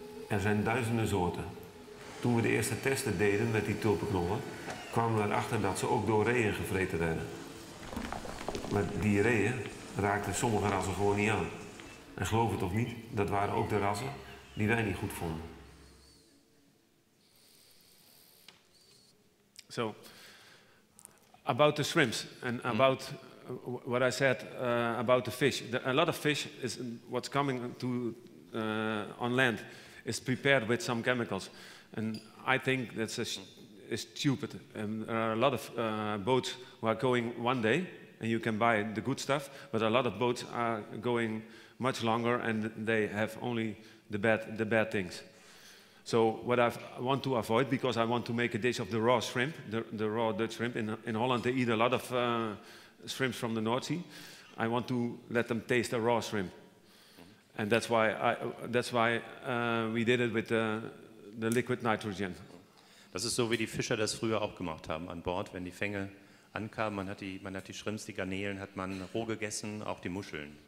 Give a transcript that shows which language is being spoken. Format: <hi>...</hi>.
<nl>Er zijn duizenden soorten. Toen we de eerste testen deden met die tulpenknollen, kwamen we erachter dat ze ook door reeën gevreten werden. Maar die reeën raakten sommige rassen gewoon niet aan. En geloof het of niet, dat waren ook de rassen die wij niet goed vonden.</nl> <en>So, about the shrimps and about what I said about the fish, a lot of fish is what's coming to on land is prepared with some chemicals, and I think that's is stupid. And there are a lot of boats who are going one day, and you can buy the good stuff, but a lot of boats are going much longer, and they have only the bad things. So what I want to avoid, because I want to make a dish of the raw shrimp, the raw Dutch shrimp. In Holland, they eat a lot of shrimps from the North Sea. I want to let them taste a raw shrimp. And that's why we did it with the liquid nitrogen.</en> <de>Das ist so, wie die Fischer das früher auch gemacht haben an Bord, wenn die Fänge ankamen. Man hat die Shrimps, die Garnelen, hat man roh gegessen, auch die Muscheln.</de>